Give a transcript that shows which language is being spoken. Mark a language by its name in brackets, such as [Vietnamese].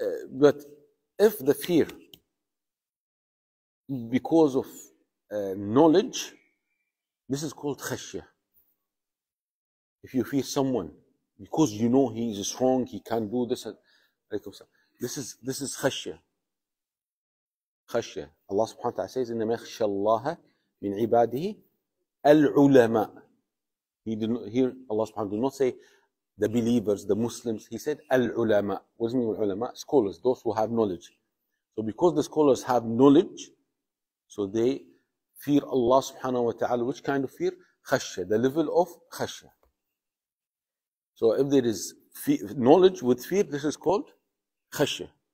[English] But if the fear because of knowledge, this is called khashya. If you fear someone, because you know he is strong, he can do this. This is khashya. Khashya. Allah subhanahu wa ta'ala says, [Arabic] إِنَّمَا يَخْشَى اللَّهَ مِنْ عِبَادِهِ الْعُلَمَاء. [English] Here Allah subhanahu wa ta'ala did not say the believers, the Muslims. He said الْعُلَمَاء. What does it mean الْعُلَمَاء? Scholars, those who have knowledge. So because the scholars have knowledge, so they fear Allah subhanahu wa ta'ala. Which kind of fear? Khashya. The level of khashya. So if there is knowledge with fear, this is called khashya.